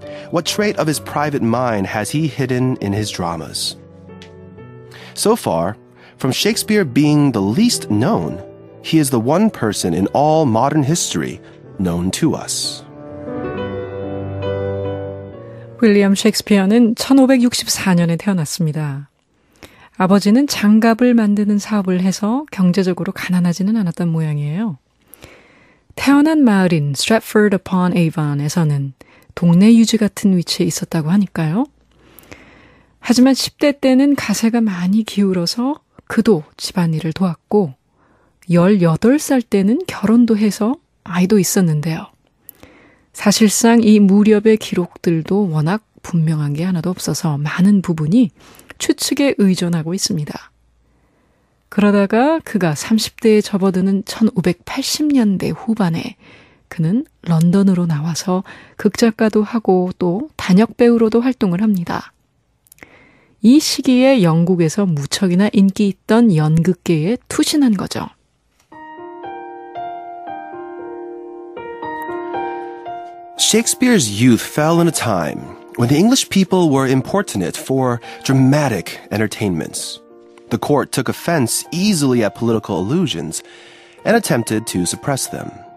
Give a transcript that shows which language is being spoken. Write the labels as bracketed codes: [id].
[en] What trait of his private mind has he hidden in his dramas? So far, from Shakespeare being the least known, he is the one person in all modern history known to us. [ko] 윌리엄 셰익스피어는 1564년에 태어났습니다. 아버지는 장갑을 만드는 사업을 해서 경제적으로 가난하지는 않았던 모양이에요. 태어난 마을인 Stratford-upon-Avon에서는 동네 유지 같은 위치에 있었다고 하니까요. 하지만 10대 때는 가세가 많이 기울어서 그도 집안일을 도왔고 18살 때는 결혼도 해서 아이도 있었는데요. 사실상 이 무렵의 기록들도 워낙 분명한 게 하나도 없어서 많은 부분이 추측에 의존하고 있습니다. 그러다가 그가 30대에 접어드는 1580년대 후반에 그는 런던으로 나와서 극작가도 하고 또 단역배우로도 활동을 합니다. 이 시기에 영국에서 무척이나 인기 있던 연극계에 투신한 거죠. [en] Shakespeare's youth fell in a time when the English people were importunate for dramatic entertainments. The court took offense easily at political allusions and attempted to suppress them.